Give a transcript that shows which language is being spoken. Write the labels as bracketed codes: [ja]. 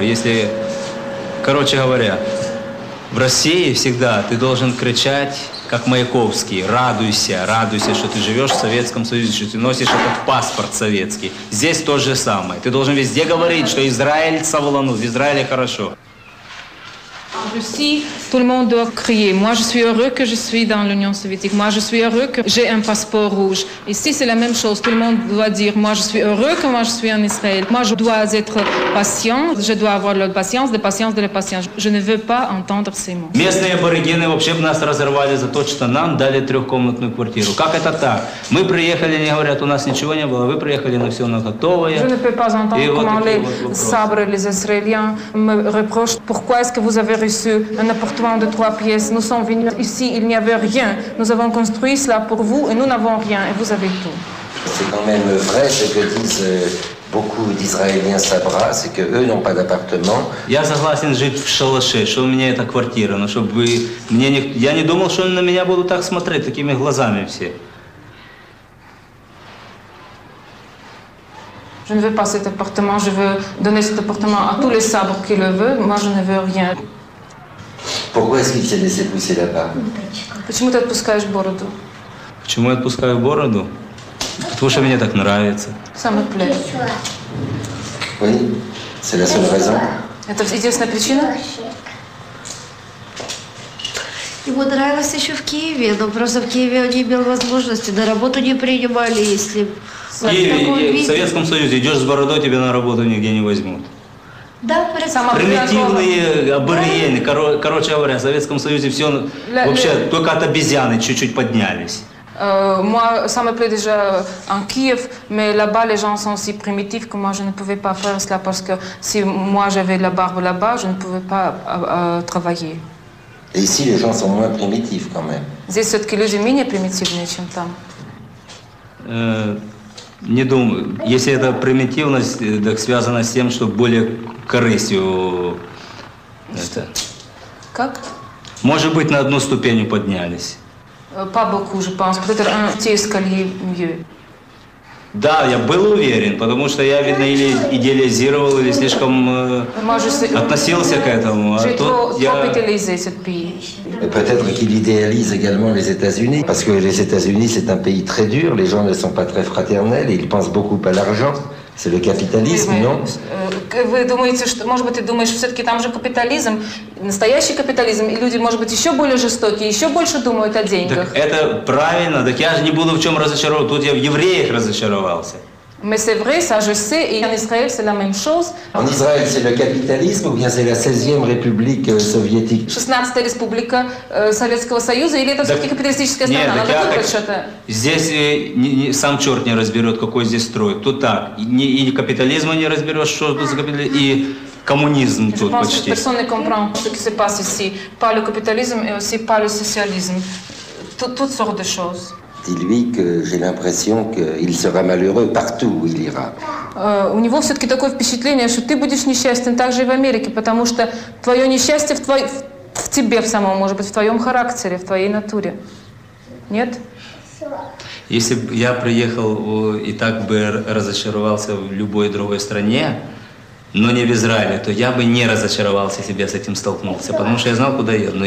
[ru] Если, короче говоря, в России всегда ты должен кричать, как Маяковский, радуйся, радуйся, что ты живешь в Советском Союзе, что ты носишь этот паспорт советский. Здесь то же самое. Ты должен везде говорить, что Израиль совланул, в Израиле хорошо. [fr] Russie, tout le monde doit crier. Moi, je suis heureux que je suis dans l'Union soviétique. Moi, je suis heureux que j'ai un passeport rouge. Ici, c'est la même chose. Tout le monde doit dire, moi, je suis heureux que moi, je suis en Israël. Moi, je dois être patient. Je dois avoir la patience, la patience de la patience. Je ne veux pas entendre ces mots. [ru] Местные аборигены вообще бы нас разорвали за то, что нам дали трехкомнатную квартиру. Как это так? Мы приехали, они говорят, у нас ничего не было. Вы приехали, на все у нас готовое. [fr] Je ne peux pas entendre comment les sabres, les Israéliens me reprochent. Pourquoi est-ce que vous avez reçu un appartement de 3 pièces? Nous sommes venus ici, il n'y avait rien. Nous avons construit cela pour vous et nous n'avons rien et vous avez tout. C'est quand même vrai ce que disent beaucoup d'Israéliens sabras, c'est qu'eux n'ont pas d'appartement. [ru] Я согласен жить в шалаше, что у меня эта квартира, но чтобы мне не... Я не думал, что они на меня будут так смотреть, такими глазами все. [fr] Je ne veux pas cet appartement, je veux donner cet appartement à tous les sabres qui le veulent. Moi, je ne veux rien. Pourquoi est-ce qu'il s'est laissé pousser là-bas? [ru] Почему ты отпускаешь бороду? Почему я отпускаю бороду? Потому что мне так нравится. [fr] Ça me plaît. Oui, c'est la seule raison. [ru] Это единственная причина? Ему нравилось еще в Киеве, но просто в Киеве он не имел возможности. На работу не принимали, если... Киеве, в Советском Союзе идешь с бородой, тебя на работу нигде не возьмут. Да, примитивные аборигены. Да. Короче говоря, в Советском Союзе все вообще только от обезьяны чуть-чуть поднялись. [fr] Moi, ça me plaît déjà en Kiev, mais là-bas, les gens sont si primitifs que moi, je ne pouvais pas faire cela parce que si moi, j'avais la barbe là-bas, je ne pouvais pas travailler. Et ici, les gens sont moins primitifs quand même. [ru] Здесь все-таки люди менее примитивные, чем там. Не думаю, если эта примитивность так связана с тем, что более корыстью это... Как? Может быть, на одну ступень поднялись. [fr] Pas beaucoup, je pense. Peut-être un petit escalier mieux. [ru] Да, я был уверен, потому что я, видно, или идеализировал, или слишком относился к этому. [fr] Peut-être qu'il idéalise également les États-Unis, parce que les États-Unis, c'est un pays très dur, les gens ne sont pas très fraternels, ils pensent beaucoup à l'argent. C'est le capitalisme, non? Вы думаете, что, может быть, ты думаешь, все-таки там же капитализм, настоящий капитализм, и люди, может быть, еще более жестокие, еще больше думают о деньгах. Так это правильно, так я же не буду в чем разочаровываться, тут я в евреях разочаровался. Mais c'est vrai, ça je sais, et en Israël, c'est la même chose. En Israël, c'est le capitalisme ou bien c'est la 16e République soviétique? 16e République [ru] Советского Союза, или это все-таки капиталистическая страна? Нет, так я так... Здесь сам черт не разберет, какой здесь строй. Тут так, и капитализма не разберешь, что тут за капитализм, и коммунизм тут почти. [fr] Je pense que personne ne comprend ce qui se passe ici. Pas le capitalisme et aussi pas le socialisme. Toutes sortes de choses. Dis-lui que j'ai l'impression qu'il sera malheureux partout où il ira. [ru] У него все-таки такое впечатление, что ты будешь несчастен также и в Америке, потому что твое несчастье в тебе в самом, может быть, в твоем характере, в твоей натуре. Нет? Если бы я приехал и так бы разочаровался в любой другой стране, но не в Израиле, то я бы не разочаровался, если бы я с этим столкнулся, потому что я знал, куда еду.